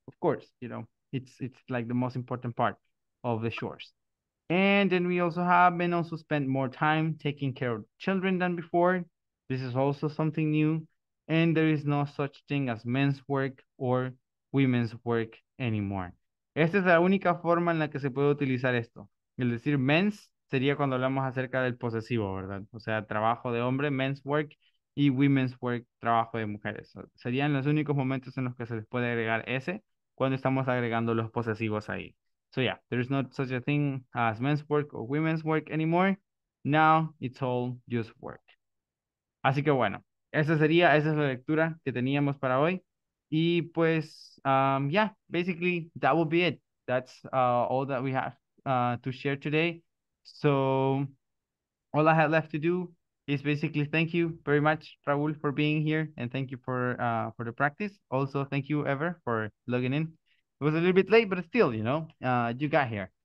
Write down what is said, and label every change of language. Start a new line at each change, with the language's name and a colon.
English: Of course, it's like the most important part of the chores. And then we also have men also spend more time taking care of children than before. This is also something new. And there is no such thing as men's work or women's work anymore.
Spanish: Esta es la única forma en la que se puede utilizar esto. El decir men's sería cuando hablamos acerca del posesivo, ¿verdad? O sea, trabajo de hombre, men's work, y women's work, trabajo de mujeres. Serían los únicos momentos en los que se les puede agregar ese cuando estamos agregando los posesivos ahí.
English: So yeah, there is not such a thing as men's work or women's work anymore. Now it's all just work.
Spanish: Así que bueno. Esa es la lectura que teníamos para hoy. Y pues,
English: yeah, basically, that will be it. That's all that we have to share today. So, all I have left to do is basically thank you very much, Raúl, for being here. And thank you for the practice. Also, thank you, Ever, for logging in. It was a little bit late, but still, you got here.